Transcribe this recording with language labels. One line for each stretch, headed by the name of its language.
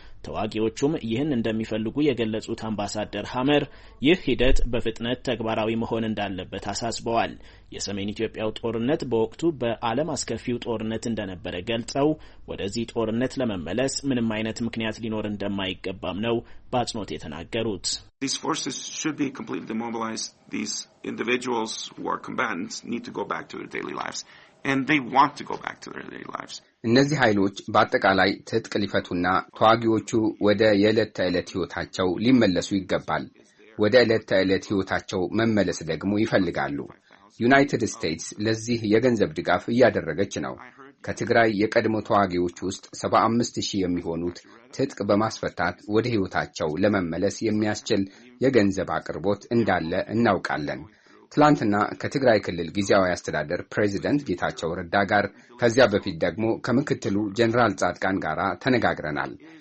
Amharic: ተዋጊዎቹም ይህን እንደሚፈልጉ የገለጹት አምባሳደር ሃመር ይህ ሂደት በፍጥነት ተግባራዊ መሆን እንዳለበት አሳስበዋል። የሰሜን ኢትዮጵያው ጦርነት በወቅቱ በዓለም አስከፊው ጦርነት እንደነበረ ገልጸው ወደዚህ ጦርነት ለመመለስ ምንም አይነት ምክንያት ሊኖር እንደማይገባም ነው በአጽንኦት የተናገሩት።
English: These forces should be completely demobilized. These individuals who are combatants need to go back to their daily lives. And they want to go back to their daily lives.
Amharic: እነዚህ ኃይሎች በአጠቃላይ ትጥቅ ሊፈቱና ተዋጊዎቹ ወደ የዕለት ተዕለት ሕይወታቸው ሊመለሱ ይገባል። ወደ የዕለት ተዕለት ሕይወታቸው መመለስ ደግሞ ይፈልጋሉ። ዩናይትድ ስቴትስ ለዚህ የገንዘብ ድጋፍ እያደረገች ነው። ከትግራይ የቀድሞ ተዋጊዎች ውስጥ 75,000 የሚሆኑት ትጥቅ በማስፈታት ወደ ሕይወታቸው ለመመለስ የሚያስችል የገንዘብ አቅርቦት እንዳለ እናውቃለን። ትላንትና ከትግራይ ክልል ጊዜያዊ አስተዳደር ፕሬዚደንት ጌታቸው ረዳ ጋር ከዚያ በፊት ደግሞ ከምክትሉ ጀነራል ጻድቃን ጋር ተነጋግረናል።